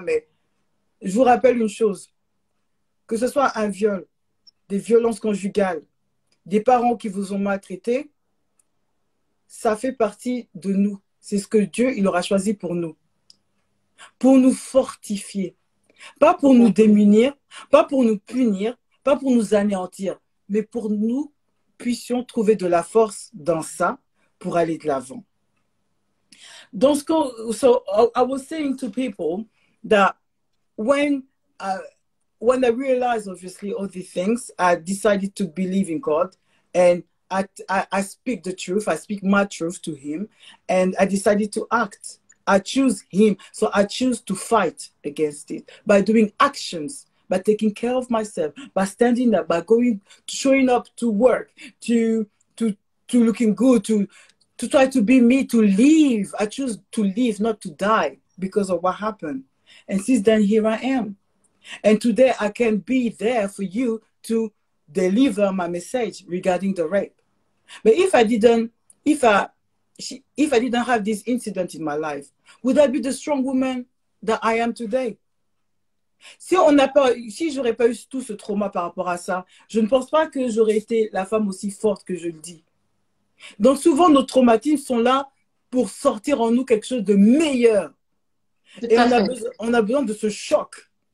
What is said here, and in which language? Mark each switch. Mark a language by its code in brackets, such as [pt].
[fr] Mais je vous rappelle une chose, que ce soit un viol, des violences conjugales, des parents qui vous ont maltraité, ça fait partie de nous. C'est ce que Dieu, il aura choisi pour nous. Pour nous fortifier. Pas pour nous démunir, pas pour nous punir, pas pour nous anéantir, mais pour nous puissions trouver de la force dans ça pour aller de l'avant. Donc, [en] I was saying to people that when I realized obviously all these things, I decided to believe in God and I speak the truth, I speak my truth to him and I decided to act. I choose him, so I choose to fight against it by doing actions. By taking care of myself, by standing up, by going, showing up to work, to looking good, to try to be me, to live. I choose to live, not to die because of what happened. And since then, here I am. And today, I can be there for you to deliver my message regarding the rape. But if I didn't have this incident in my life, would I be the strong woman that I am today? [fr] Si on n'a pas, si j'aurais pas eu tout ce trauma par rapport à ça, je ne pense pas que j'aurais été la femme aussi forte que je le dis. Donc souvent, nos traumatismes sont là pour sortir en nous quelque chose de meilleur. Tout Et à fait. on a besoin de ce choc.